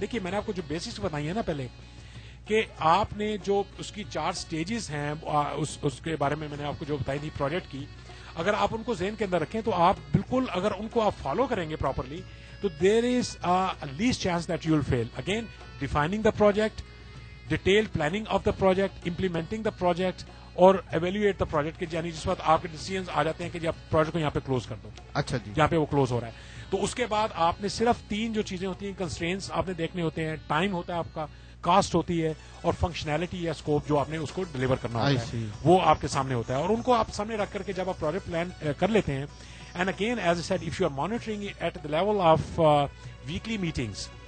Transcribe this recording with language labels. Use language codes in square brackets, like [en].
[ur] دیکھیے میں نے آپ کو جو بیسکس بتائی ہیں نا پہلے کہ آپ نے جو اس کی چار سٹیجز ہیں اس کے بارے میں نے آپ کو جو بتائی تھی پروجیکٹ کی, اگر آپ ان کو ذہن کے اندر رکھیں تو آپ بالکل اگر ان کو آپ فالو کریں گے پراپرلی تو [en] There is least chance that you will fail. Again defining the project, [ur] detailed planning of the project, implementing the project اور ایویلویٹ دا پروجیکٹ, کے یعنی جس وقت آپ کے ڈیسیزنز آ جاتے ہیں کہ آپ پروجیکٹ کو یہاں پہ کلوز کر دو. اچھا جی, یہاں پہ وہ کلوز ہو رہا ہے تو اس کے بعد آپ نے صرف تین جو چیزیں ہوتی ہیں کنسٹرینٹس آپ نے دیکھنے ہوتے ہیں, ٹائم ہوتا ہے آپ کا, کاسٹ ہوتی ہے اور فنکشنالٹی یا اسکوپ جو آپ نے اس کو ڈلیور کرنا ہوتا ہے وہ آپ کے سامنے ہوتا ہے. اور ان کو آپ سامنے رکھ کر کے جب آپ پروجیکٹ پلان کر لیتے ہیں, [en] And again as I said if you are monitoring at the level of weekly meetings.